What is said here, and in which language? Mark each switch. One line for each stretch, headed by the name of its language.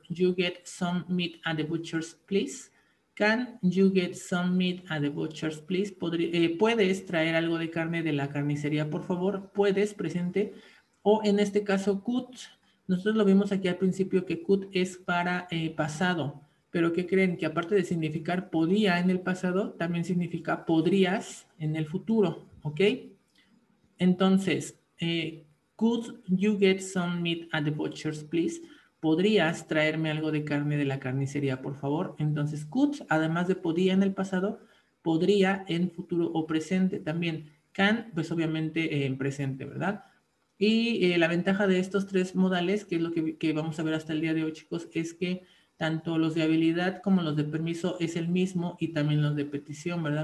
English: You get some meat at the butcher's, please. Can you get some meat at the butcher's, please?
Spanish: ¿Puedes traer algo de carne de la carnicería, por favor? Puedes, presente. O en este caso, could. Nosotros lo vimos aquí al principio que could es para pasado. Pero ¿qué creen? Que aparte de significar podía en el pasado, también significa podrías en el futuro. ¿Ok?
English: Entonces, could you get some meat at the butcher's, please?
Spanish: ¿Podrías traerme algo de carne de la carnicería, por favor? Entonces, could, además de podía en el pasado, podría en futuro o presente también. Can, pues obviamente en presente, ¿verdad? Y la ventaja de estos tres modales, que es lo que vamos a ver hasta el día de hoy, chicos, es que tanto los de habilidad como los de permiso es el mismo y también los de petición, ¿verdad?